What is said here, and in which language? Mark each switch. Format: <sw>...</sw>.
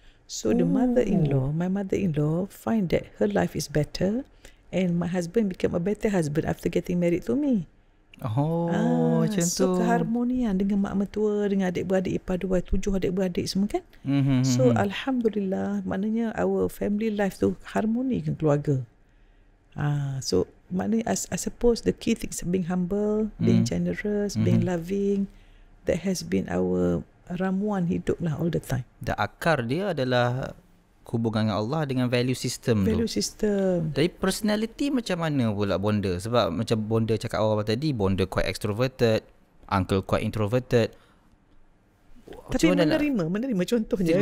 <en>So the my mother-in-law find that her life is better and my husband became a better husband after getting married to me.</en> <ms>Macam</ms> <en>so</en> <ms>tu. Keharmonian dengan mak mertua, dengan adik-beradik ipar dua, 7 adik-beradik semua kan. So alhamdulillah, maknanya</ms> <en>our family life</en> <ms>tu harmoni dengan keluarga.</ms> <en>So maknanya I suppose the key things, being humble, being generous, being loving, that has been our</en> <ms>ramuan hidup lah</ms> <en>all the time.</en> <ms>The akar dia adalah hubungan dengan Allah, dengan value system. Dari personality macam mana pula bonda? Sebab macam bonda cakap awal-awal tadi, bonda</ms> <en>quite extroverted, uncle quite introverted.</en> <ms>Tapi cuma menerima contohnya.</ms>